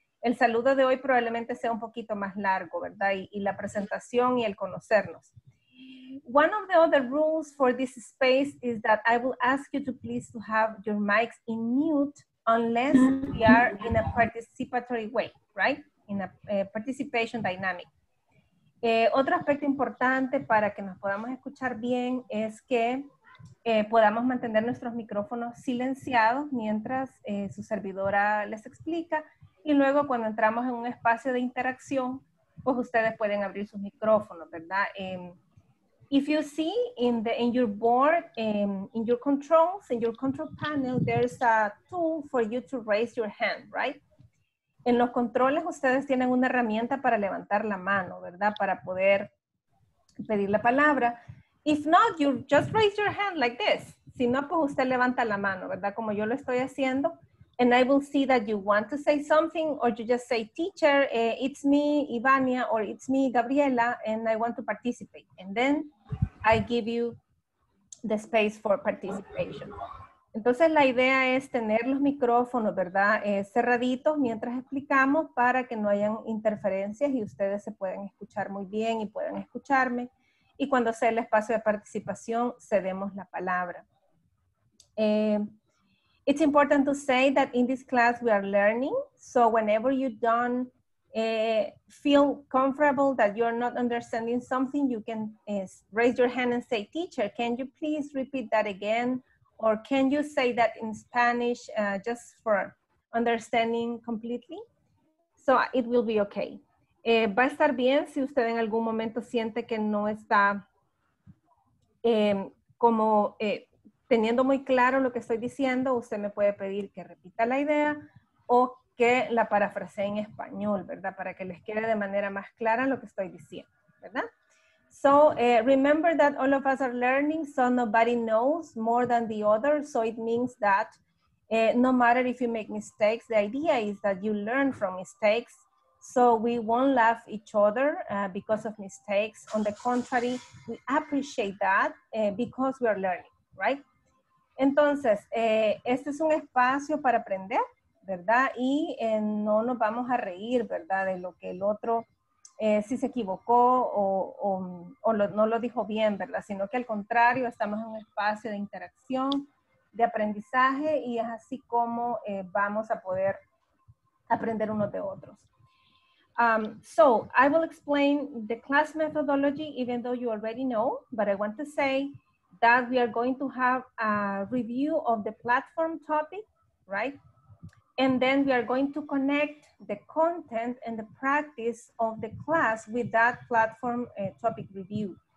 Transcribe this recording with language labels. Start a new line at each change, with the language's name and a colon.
Spanish: El saludo de hoy probablemente sea un poquito más largo, ¿verdad? Y la presentación y el conocernos.
English: One of the other rules for this space is that I will ask you to please to have your mics in mute unless we are in a participatory way, right? In a participation dynamic.
Spanish: Otro aspecto importante para que nos podamos escuchar bien es que podamos mantener nuestros micrófonos silenciados mientras su servidora les explica. Y luego cuando entramos en un espacio de interacción, pues ustedes pueden abrir sus micrófonos, ¿verdad?
English: If you see in your board, in your controls, in your control panel, there's a tool for you to raise your hand, right?
Spanish: En los controles ustedes tienen una herramienta para levantar la mano, ¿verdad? Para poder pedir la palabra.
English: If not, you just raise your hand like this.
Spanish: Si no, pues usted levanta la mano, ¿verdad? Como yo lo estoy haciendo.
English: And I will see that you want to say something or you just say, teacher, it's me, Ivania, or it's me, Gabriela, and I want to participate. And then I give you the space for participation.
Spanish: Entonces la idea es tener los micrófonos, ¿verdad? Cerraditos mientras explicamos para que no hayan interferencias y ustedes se puedan escuchar muy bien y puedan escucharme. Y cuando sea el espacio de participación, cedemos la palabra.
English: It's important to say that in this class we are learning. So whenever you don't feel comfortable that you're not understanding something, you can raise your hand and say, teacher, can you please repeat that again? Or can you say that in Spanish just for understanding completely? So it will be okay.
Spanish: Va a estar bien si usted en algún momento siente que no está como teniendo muy claro lo que estoy diciendo, usted me puede pedir que repita la idea o que la parafrasee en español, ¿verdad? Para que les quede de manera más clara lo que estoy diciendo, ¿verdad?
English: So, remember that all of us are learning, so nobody knows more than the other. So it means that no matter if you make mistakes, the idea is that you learn from mistakes. So we won't laugh each other because of mistakes. On the contrary, we appreciate that because we are learning, right?
Spanish: Entonces, este es un espacio para aprender, ¿verdad? Y no nos vamos a reír, ¿verdad? De lo que el otro, si se equivocó no lo dijo bien, ¿verdad? Sino que al contrario, estamos en un espacio de interacción, de aprendizaje, y es así como vamos a poder aprender unos de otros.
English: So, I will explain the class methodology, even though you already know, but I want to say that we are going to have a review of the platform topic, right? And then we are going to connect the content and the practice of the class with that platform topic review.